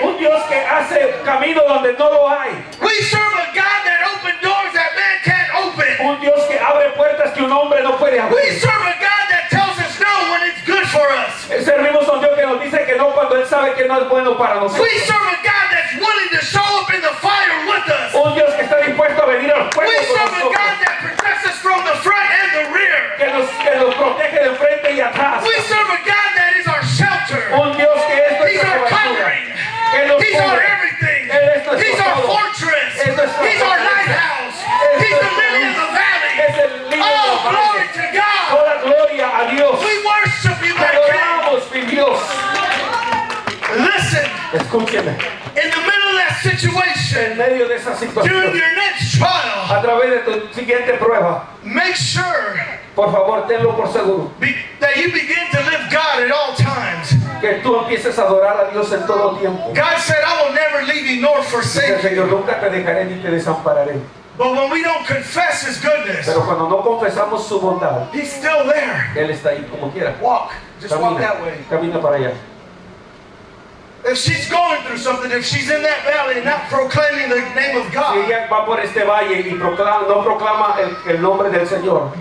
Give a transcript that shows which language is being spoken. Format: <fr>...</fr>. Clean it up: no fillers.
<es>Un Dios que hace camino donde no lo hay.</es> <en>We serve a God that opens doors that man can't open.</en> <es>Un Dios que abre puertas que un hombre no puede abrir.</es> <en>We serve a God that tells us no when it's good for us.</en> <es>Servimos a un Dios que nos dice que no cuando él sabe que no es bueno para nosotros.</es> <en>We serve a God that's willing to show up in the fire with us.</en> <es>Un Dios que está dispuesto a venir al fuego nosotros.</es> <en>We serve a God that protects us from the front and the rear.</en> <es>Que nos protege de frente y atrás.</es> <en>We serve a God that is our shelter.</en> <es>Un Dios que es nuestra cobertura.</es> <en>He's our covering. He's our everything. He's our fortress. He's our lighthouse. He's the lily of the valley.</en> <es>Es el lirio del valle.</es> <en>Oh, glory to God.</en> <es>Toda gloria a Dios.</es> <en>We worship you, my</en> <es>God. Adoramos, mi Dios.</es> <en>Listen.</en> <es>Escúcheme.</es> <en>In the middle of that situation.</en> <es>En medio de esa situación.</es> <en>During your next trial.</en> <es>A través de tu siguiente prueba.</es> <en>Make sure.</en> <es>Por favor, tenlo por seguro.</es> <en>That you begin to live God at all times.</en> <es>Que tú empieces a adorar a Dios en todo tiempo.</es> <en>God said, I will never leave you nor forsake you.</en> <es>Nunca te dejaré ni te desampararé.</es> <en>But when we don't confess His goodness,</en> <es>pero cuando no confesamos su bondad,</es> <en>He's still there.</en> <es>Él está ahí como quiera.</es> <en>Walk, just</en> <es>camina,</es> <en>walk that way.</en> <es>Camina para allá.</es> <en>If she's going through something, if she's in that valley and not proclaiming the name of God,</en> <es>si ella va por este valle y no proclama el nombre del Señor,</es>